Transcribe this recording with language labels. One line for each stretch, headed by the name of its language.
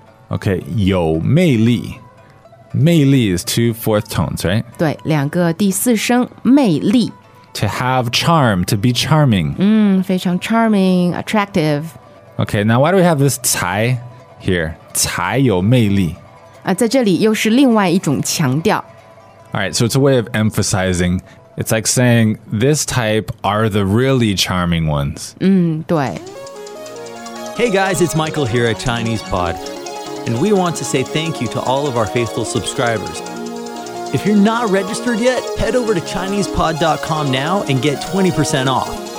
English: Okay, 有魅力。魅力 is two fourth tones, right?
Chinese: 对,两个第四声,魅力。
English: To have charm, to be charming.
Chinese: 嗯,非常
English: charming, attractive. Okay, now why do we have this 才 here?
Chinese: 才有魅力。在这里又是另外一种强调。
English: All right, so it's a way of emphasizing. It's like saying, this type are the really charming ones.
Chinese: 嗯,对。
English: Hey guys, it's Michael here at Chinese Pod, and we want to say thank you to all of our faithful subscribers. If you're not registered yet, head over to ChinesePod.com now and get 20% off.